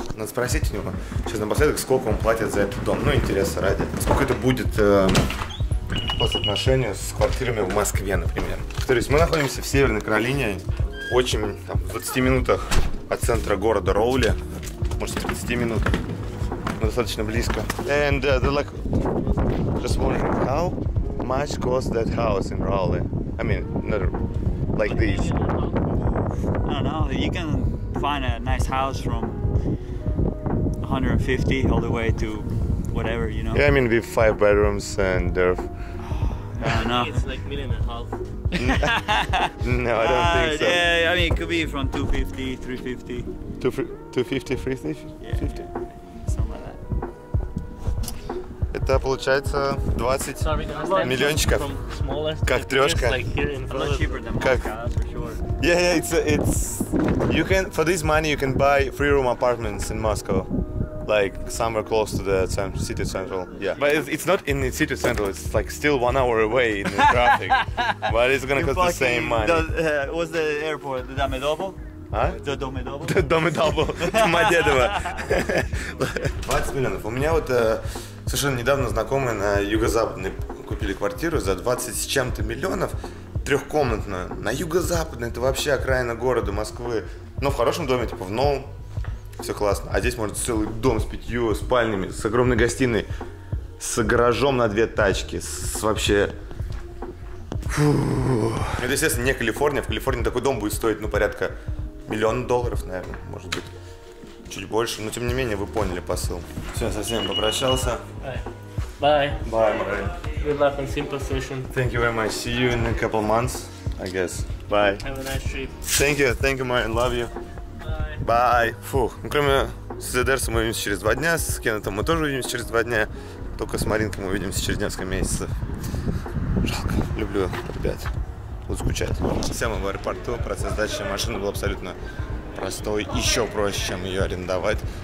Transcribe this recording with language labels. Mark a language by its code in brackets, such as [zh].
[ru] Надо спросить у него сейчас напоследок, сколько он платит за этот дом. Ну, интереса ради. Сколько это будет по соотношению с квартирами в Москве, например. То есть мы находимся в Северной Каролине, очень там, в 20 минутах от центра города Роули. Может, 30 минут. Но достаточно близко. [en] And they're like, just wondering how much cost that house in Roули. I mean, not like this. I don't know, you can find a nice house from 150 all the way to whatever, you know. Yeah, I mean, with five bedrooms and there. No, it's like million and a half. No, I don't think so. Yeah, I mean, it could be from 250, 350. 250, 350? [ru] Да, получается 20 миллиончиков, как трешка. [en] Like, [ru] как, [en] Yeah, yeah, it's you can for this money you can buy 3-room apartments in Moscow. Like somewhere close to the city central. Yeah. But it's not in the city central. It's like still 1 hour away in the traffic. But it's going to cost the same money. What's the airport? The Domodedovo? Huh? The Domodedovo. The Domodedovo. Домодедово. [ru] 20 миллионов. У меня вот совершенно недавно знакомые на юго-западной купили квартиру за 20 с чем-то миллионов. Трехкомнатную. На юго-западной. Это вообще окраина города Москвы. Но в хорошем доме, типа в новом. Все классно. А здесь может целый дом с 5 спальнями, с огромной гостиной, с гаражом на 2 тачки, с вообще... Фу. Это, естественно, не Калифорния. В Калифорнии такой дом будет стоить, ну, порядка миллиона долларов, наверное, может быть, чуть больше. Но, тем не менее, вы поняли посыл. Все, я со всеми попрощался. [en] Bye. Bye. Bye. Good luck in simple session. Thank you very much. See you in a couple months, I guess. Bye. Have a nice trip. Thank you, Martin. Love you. [ru] Бай. Фух. Ну, кроме с Дэрсом мы увидимся через 2 дня, с Кеннетом мы тоже увидимся через 2 дня, только с Маринкой мы увидимся через несколько месяцев. Жалко. Люблю ребят. Буду скучать. Все мы в аэропорту, процесс сдачи машины был абсолютно простой, еще проще, чем ее арендовать.